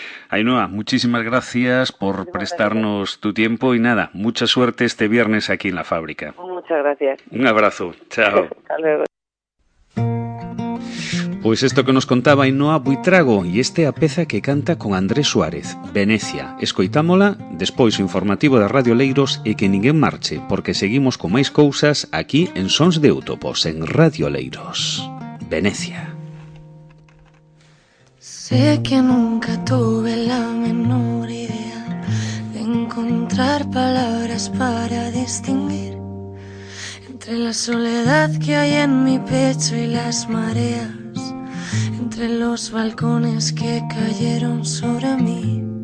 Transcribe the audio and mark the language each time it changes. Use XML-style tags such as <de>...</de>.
<es>Ainhoa, muchísimas gracias por muchísimas prestarnos gracias. Tu tiempo y nada, mucha suerte este viernes aquí en la fábrica. Muchas gracias. Un abrazo, chao. Hasta luego. Pues esto que nos contaba Ainhoa Buitrago y este apeza que canta con Andrés Suárez, Venecia.</es> <gl>Escoitámola, despois o informativo da Radio Leiros e que ninguén marche, porque seguimos con máis cousas aquí en Sons de Utopos, en Radio Leiros.</gl> <es>Venecia. Sé que nunca tuve la menor idea de encontrar palabras para distinguir entre la soledad que hay en mi pecho y las mareas, entre los balcones que cayeron sobre mí.</es>